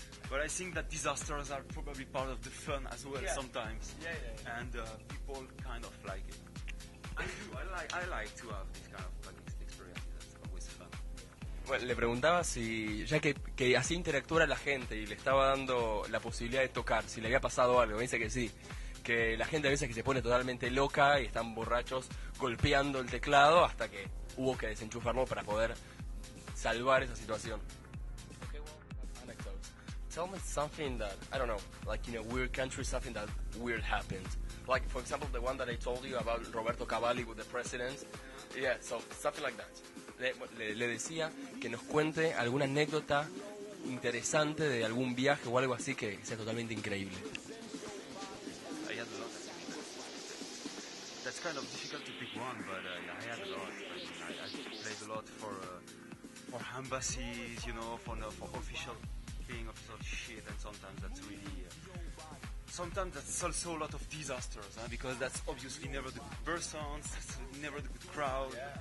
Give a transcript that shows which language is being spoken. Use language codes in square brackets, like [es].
[en] But I think that disasters are probably part of the fun as well, yeah. Sometimes. Yeah. And people kind of like it. I like to have this kind of experience. That's always fun. [es] Bueno, le preguntaba si, ya que así interactuara la gente y le estaba dando la posibilidad de tocar, si le había pasado algo. Me dice que sí, que la gente a veces que se pone totalmente loca y están borrachos golpeando el teclado hasta que hubo que desenchufarlo para poder salvar esa situación. [en] Okay, well, anecdotes. Tell me something that, I don't know, like in a weird country, something that weird happened. Like, for example, the one that I told you about Roberto Cavalli with the president. Yeah, so something like that. [es] Le decía que nos cuente alguna anécdota interesante de algún viaje o algo así que sea totalmente increíble. [en] I had a lot. That's kind of difficult to pick one, but I had a lot. I played a lot for embassies, you know, for official thing of such shit, and sometimes that's really... Sometimes that's also a lot of disasters, huh? Because that's obviously never the good persons, that's never the good crowd.